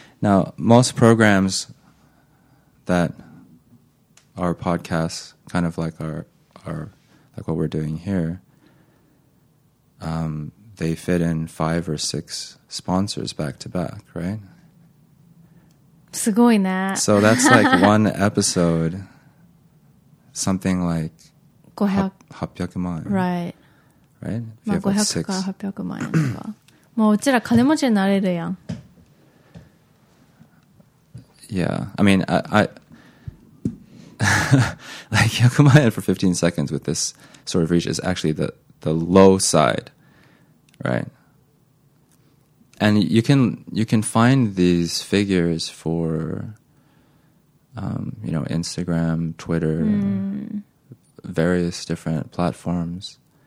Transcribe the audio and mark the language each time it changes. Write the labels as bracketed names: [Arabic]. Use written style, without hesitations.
[English] Now, most programs that are podcasts, kind of like are like what we're doing here, they fit in five or six sponsors back to back, right? [Japanese] すごいね。 [English] So that's like one episode, something like 800万円。 Right. Right? [Japanese] まあ500から800万円とか。もううちら金持ちになれるやん。 [English] Yeah. I mean, I like 100 million for 15 seconds with this sort of reach is actually the low side, right? And you can find these figures for you know, Instagram, Twitter, various different platforms.